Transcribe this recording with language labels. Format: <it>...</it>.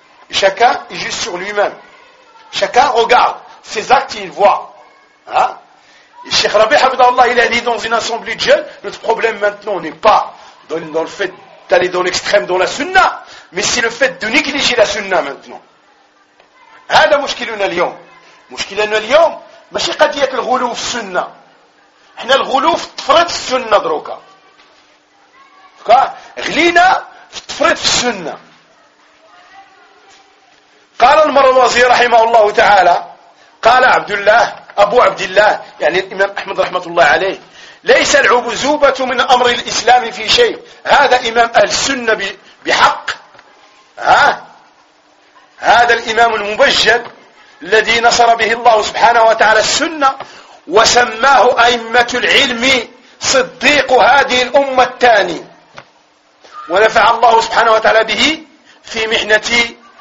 <fr>Chacun est juste sur lui-même. Chacun regarde ses actes et il voit. Hein? Et Cheikh Rabih Abdallah, il a dit dans une assemblée de jeunes, notre problème maintenant n'est pas dans le fait d'aller dans l'extrême dans la sunna, mais c'est le fait de négliger la sunna maintenant.</fr> <ar>هذا مشكلنا اليوم. مشكلنا اليوم ماشي قضية الغلو في السنة. احنا الغلو في تفريط السنة دروكا. غلينا في تفريط السنة. قال المروزي رحمه الله تعالى قال عبد الله أبو عبد الله يعني الإمام أحمد رحمة الله عليه ليس العبزوبة من أمر الإسلام في شيء. هذا إمام أهل السنة بحق. ها؟ هذا الإمام المبجل الذي نصر به الله سبحانه وتعالى السنة وسماه أئمة العلم صديق هذه الأمة الثاني ونفع الله سبحانه وتعالى به في محنتي</ar>